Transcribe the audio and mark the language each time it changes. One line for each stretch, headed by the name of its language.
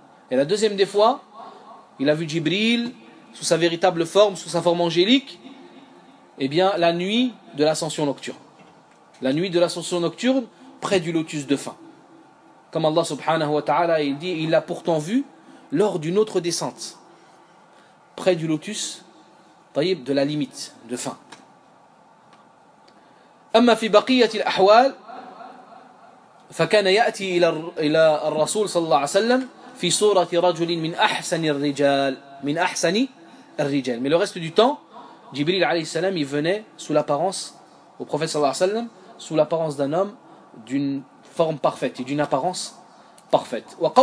French: Et la deuxième des fois, il a vu Jibril sous sa véritable forme, sous sa forme angélique, eh bien, la nuit de l'ascension nocturne. La nuit de l'ascension nocturne, près du lotus de fin. Comme Allah
Arabic: subhanahu wa ta'ala,
French: il dit, il l'a pourtant vu lors d'une autre descente, près du lotus,
Arabic: طيب,
French: de la limite de fin.
Arabic: أما في بقية الأحوال فكان يأتي إلى الرسول صلى الله عليه وسلم في صورة رجل من أحسن الرجال من أحسن.
French: Mais le reste du temps, Jibril
Arabic: alayhi salam,
French: il venait sous l'apparence, au prophète
Arabic: sallallahu alayhi wa sallam,
French: sous l'apparence d'un homme d'une forme parfaite et d'une apparence parfaite.